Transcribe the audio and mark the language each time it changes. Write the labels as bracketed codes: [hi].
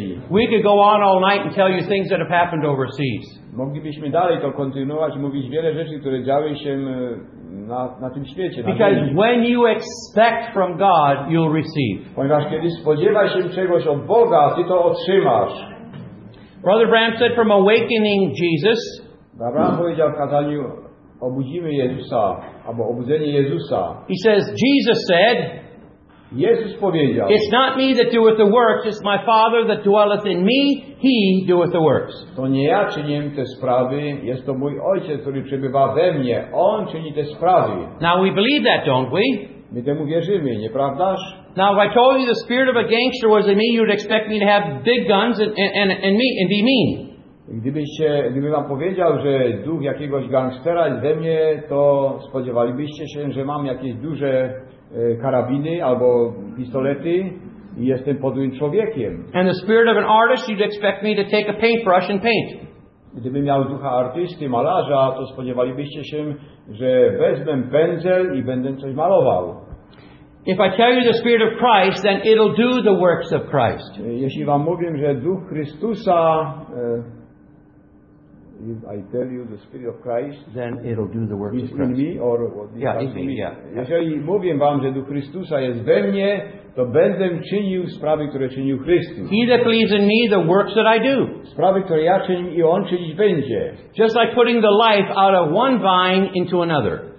[en] We could go on all night and tell you things that have happened overseas. [pl] Moglibyśmy dalej to kontynuować, mówić wiele rzeczy, które działy się na tym świecie. [en] Because when you expect from God, you'll receive. [pl] Ponieważ kiedy spodziewasz się czegoś od Boga, ty to otrzymasz. [en] Brother Bram said from awakening Jesus. [pl] Bram powiedział w kazaniu, obudzimy Jezusa, albo obudzenie Jezusa. [en] He says, Jesus said, [pl] Jezus powiedział, [en] it's not me that doeth the works, it's my Father that dwelleth in me, he doeth the works. [pl] To nie ja czynię te sprawy, jest to mój Ojciec, który przebywa we mnie, on czyni te sprawy. [en] Now we believe that, don't we? [pl] My temu wierzymy, nieprawdaż? [en] Now if I told you the spirit of a gangster was in me, you'd expect me to have big guns and be mean. [pl] Gdybym wam powiedział, że duch jakiegoś gangstera jest we mnie, to spodziewalibyście się, że mam jakieś duże karabiny albo pistolety i jestem podłym człowiekiem. [en] And the spirit of an artist, you'd expect me to take a paintbrush and paint. [pl] Gdybym miał ducha artysty, malarza, to spodziewalibyście się, że wezmę pędzel i będę coś malował. [en] If I tell you the spirit of Christ, then it'll do the works of Christ. [pl] Jeśli wam mówię, że duch Chrystusa, [en] if I tell you the spirit of Christ, then it'll do the works in me, or [pl] jeżeli mówię wam, że duch Chrystusa jest we mnie, to będę czynił sprawy, które czynił Chrystus. [en] He that believes in me, the works that I do. [pl] Sprawy, które ja czynię, i on czynić będzie. [en] Just like putting the life out of one vine into another.